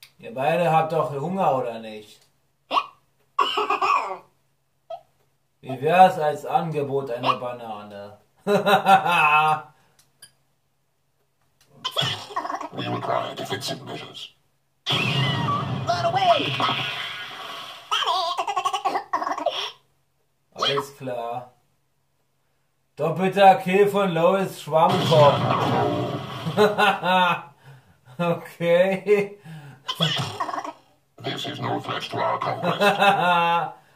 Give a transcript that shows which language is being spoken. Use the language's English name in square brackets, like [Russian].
[German] Ihr beide habt doch Hunger, oder nicht? Wie wär's als Angebot einer Banane? [English] We require defensive measures. Run away! [German] Alles klar. Doppelter Kill von Lois Schwammkopf. Okay. [English] This is no threat to our conquest.